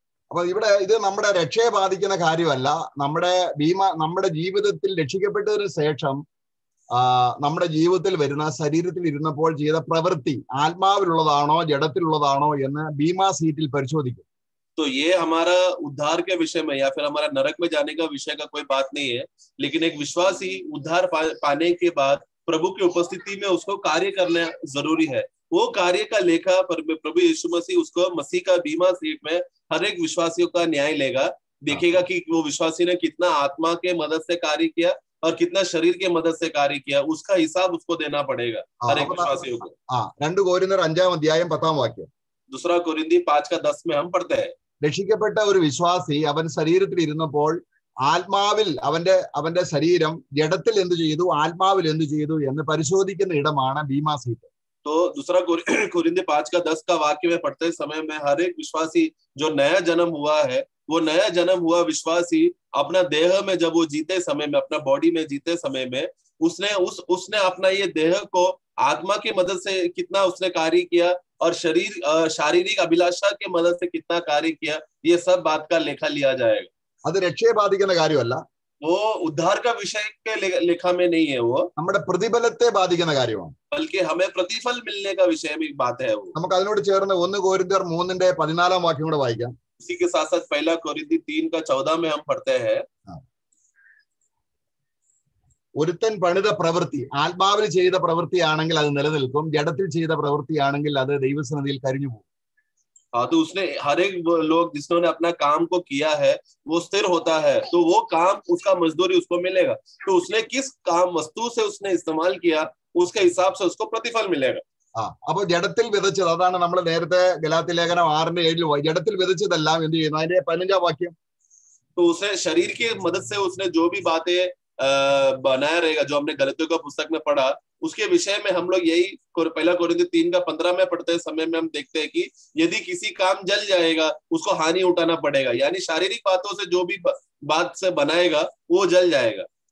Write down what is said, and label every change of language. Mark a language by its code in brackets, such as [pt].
[ml] അപ്പൊ ഇവിടെ ഇത് നമ്മുടെ രക്ഷയെ ബാധിക്കുന്ന കാര്യമല്ല നമ്മുടെ ഭീമ നമ്മുടെ ജീവിതത്തിൽ രക്ഷിക്കപ്പെട്ടതിന് ശേഷം നമ്മുടെ ജീവിതത്തിൽ വരുന്ന ശരീരത്തിൽ ഇരുന്നപ്പോൾ ചെയ്ത പ്രവൃത്തി ആത്മാവിലുള്ളതാണോ ജഡത്തിലുള്ളതാണോ എന്ന് ഭീമ സീറ്റിൽ പരിശോധിക്കും [hi] तो ये हमारा उद्धार के विषय में या फिर हमारा नरक में जाने का विषय का कोई बात नहीं है लेकिन एक विश्वासी उद्धार पाने के बाद प्रभु की उपस्थिति में उसको कार्य करना जरूरी है वो कार्य का लेखा प्रभु यीशु मसीह उसको मसीह का बीमा सीट में हर एक विश्वासियों का न्याय लेगा देखेगा कि वो विश्वासी ने कितना आत्मा के मदद से कार्य किया और कितना शरीर के मदद से कार्य किया उसका हिसाब उसको देना पड़ेगा हर एक विश्वासियों को [ml] രണ്ടു കൊരിന്ത്യർ 5 അധ്യായം 10 വാക്യം [hi] दूसरा കൊരിന്ത്യ 5:10 में हम पढ़ते हैं [ml] രക്ഷിക്കപ്പെട്ട ഒരു വിശ്വാസി അവൻ ശരീരത്തിൽ ഇരുന്നപ്പോൾ ആത്മാവിൽ അവന്റെ അവന്റെ ശരീരം ജഡത്തിൽ എന്ത് ചെയ്തു ആത്മാവിൽ എന്ത് ചെയ്തു എന്ന് പരിശോധിക്കുന്ന ഇടമാണ് ബീമാ സീറ്റ് [hi] तो दूसरा कुरिंदी 5:10 का वाक्य में पढ़ते समय में हर एक विश्वासी जो नया जन्म हुआ है वो नया जन्म हुआ विश्वासी अपना देह में जब वो जीते समय में अपना बॉडी में जीते समय में उसने उसने अपना ये देह को आत्मा की मदद से कितना उसने कार्य किया और शरीर शारीरिक अभिलाषा के मदद से कितना कार्य किया ये सब बात का लेखा लिया जाएगा वो उद्धार का विषय के लेखा में नहीं है वो हमारे प्रतिफलते बाधिक बल्कि हमें प्रतिफल मिलने का विषय भी बात है वो [ml] हम അതിനോട് ചേർന്ന് 1 കൊരിന്ത്യർ 3ന്റെ 14 ആം വാക്യം കൂടി വായിക്കാം [hi] इसी के साथ साथ पहला कोरिंथी 3:14 में हम पढ़ते हैं [ml] ഒരുത്തൻ പണിത പ്രവൃത്തി ആത്മാവിൽ ചെയ്ത പ്രവൃത്തിയാണെങ്കിൽ അത് നിലനിൽക്കും ജഡത്തിൽ ചെയ്ത പ്രവൃത്തിയാണെങ്കിൽ അത് ദൈവസന്നിധിയിൽ കരിഞ്ഞു പോകും [hi] तो उसने हर एक लोग जिसने अपना काम को किया है वो स्थिर होता है तो वो काम उसका मजदूरी उसको मिलेगा तो उसने किस काम वस्तु से उसने इस्तेमाल किया उसके हिसाब से उसको प्रतिफल मिलेगा [ml] അപ്പൊ ജഡത്തിൽ വിതച്ചത് അതാണ് നമ്മൾ നേരത്തെ ഗലാത്തി ലേഖനം 6:7 ജഡത്തിൽ വിതച്ചതെല്ലാം എന്ത് ചെയ്യുന്നു അതിന്റെ 15 വാക്യം [hi] तो उसे शरीर की मदद से उसने जो भी बातें बनाया रहेगा जो हमने ഗലത്യ പുസ്തക में पढ़ा उसके विषय में हम लोग यही पहला कोरिन्थी 3:15 में पढ़ते समय में हम देखते हैं कि यदि किसी काम जल जाएगा उसको हानि उठाना पड़ेगा, यानी शारीरिक बातों से जो भी बात से बनाएगा वो जल जाएगा।